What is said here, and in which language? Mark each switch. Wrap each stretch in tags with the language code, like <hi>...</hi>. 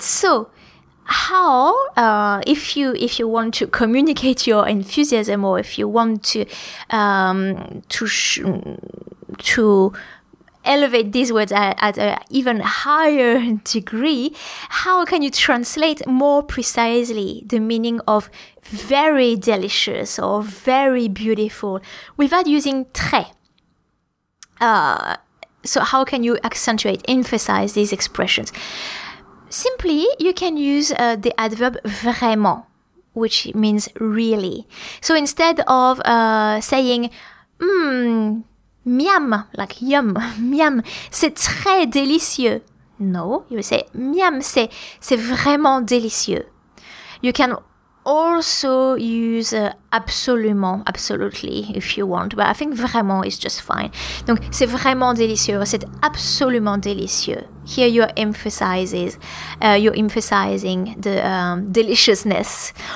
<en>So, how, if you want to communicate your enthusiasm, or if you want to elevate these words at an even higher degree, how can you translate more precisely the meaning of very delicious or very beautiful without using très? So how can you accentuate, emphasize these expressions? Simply, you can use the adverb vraiment, which means really. So instead of saying miam, like yum,</en> <fr>miam, c'est très délicieux.</fr> <en>No, you say</en> <fr>miam, c'est vraiment délicieux.</fr> <en>You can also use absolument, absolutely, if you want, but I think vraiment is just fine.</en> <fr>Donc, c'est vraiment délicieux, c'est absolument délicieux.</fr> <en>Here you're emphasizing the deliciousness.</en>